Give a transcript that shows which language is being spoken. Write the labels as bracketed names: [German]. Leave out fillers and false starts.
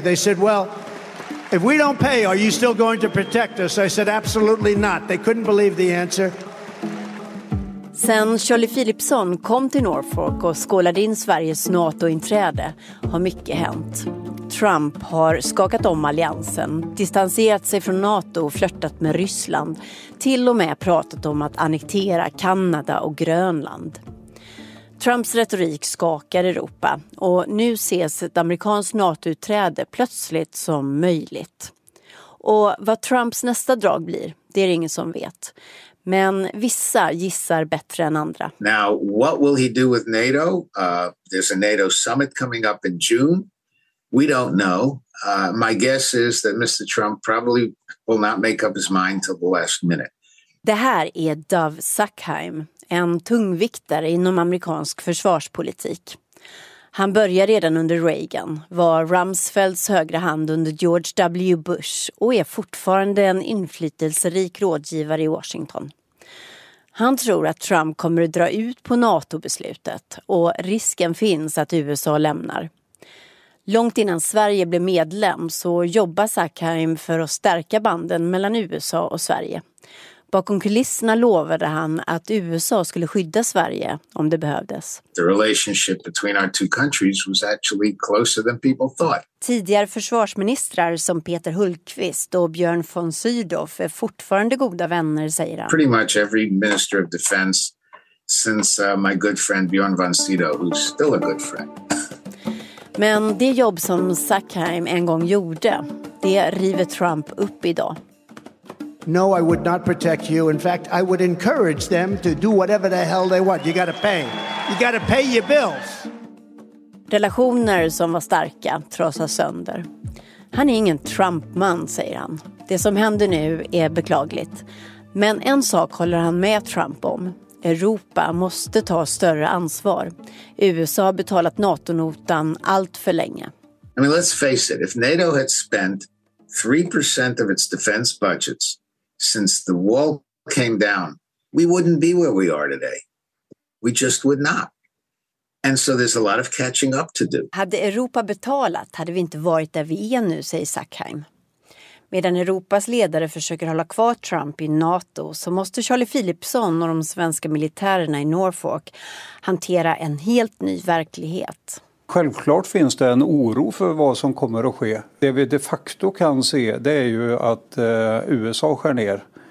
[English] They said, well, if we don't pay, are you still going to protect us? I said absolutely not. They couldn't believe the answer. [Swedish] Sen Charlie Philipson kom till Norfolk och skålade in Sveriges NATO-inträde har mycket hänt. Trump har skakat om alliansen, distanserat sig från NATO och flörtat med Ryssland. Till och med pratat om att annektera Kanada och Grönland. Trumps retorik skakar Europa och nu ses ett amerikanskt NATO-utträde plötsligt som möjligt. Och vad Trumps nästa drag blir, det är ingen som vet. Men vissa gissar bättre än andra. [English] Now, what will he do with NATO? There's a NATO summit coming up in June. We don't know. My guess is that Mr. Trump probably will not make up his mind till the last minute. [Swedish] Det här är Dove Sackheim, en tungviktare inom amerikansk försvarspolitik. Han började redan under Reagan, var Rumsfelds högra hand under George W. Bush och är fortfarande en inflytelserik rådgivare i Washington. Han tror att Trump kommer att dra ut på NATO-beslutet och risken finns att USA lämnar. Långt innan Sverige blev medlem så jobbar Sackheim för att stärka banden mellan USA och Sverige. Bakom kulisserna lovade han att USA skulle skydda Sverige om det behövdes. [English] The relationship between our two countries was actually closer than people thought. [Swedish] Tidigare försvarsministrar som Peter Hultqvist och Björn von Sydow är fortfarande goda vänner, säger han. [English] Pretty much every minister of defense since my good friend Björn von Sydow, who's still a good friend. [Swedish] Men det jobb som Sackheim en gång gjorde, det river Trump upp idag. [English] No, I would not protect you. In fact, I would encourage them to do whatever the hell they want. You gotta pay. You gotta pay your bills. [Swedish] Relationer som var starka trasas sönder. Han är ingen Trump-man, säger han. Det som händer nu är beklagligt. Men en sak håller han med Trump om. Europa måste ta större ansvar. USA har betalat NATO-notan allt för länge. [English] I mean, let's face it. If NATO had spent 3% of its defense budgets since the wall came down, we wouldn't be where we are today. We just would not. And so there's a lot of catching up to do. [Swedish] Hade Europa betalat hade vi inte varit där vi är nu, säger Sackheim. Medan Europas ledare försöker hålla kvar Trump i NATO så måste Charlie Philipson och de svenska militärerna i Norfolk hantera en helt ny verklighet. Självklart finns det en oro för vad som kommer att ske. Det vi de facto kan se, det är ju att USA skär ner.